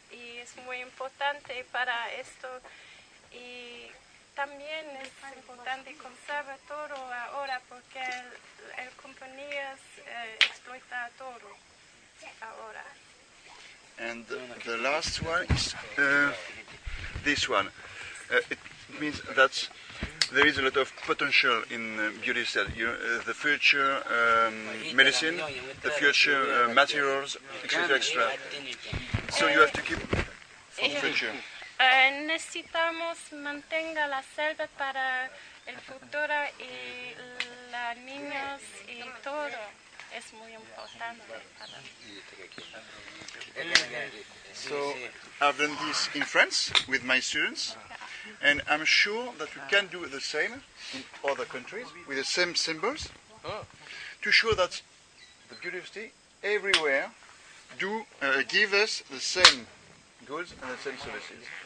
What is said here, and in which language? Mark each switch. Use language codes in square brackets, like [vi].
[es] Y es muy importante para esto. Y también es importante conservar todo ahora porque el compañía explota todo ahora. [en] And the last one is this one. It means that there is a lot of potential in beauty cell. The future medicine, the future materials, etc. So you have to keep for the future. [es] Necesitamos mantener la selva para el futuro y los niños y todo. Es muy importante para mí. [en] So I've done this in France with my students. And I'm sure that we can do the same in other countries with the same symbols to show that the beauty everywhere do give us the same goods and the same services.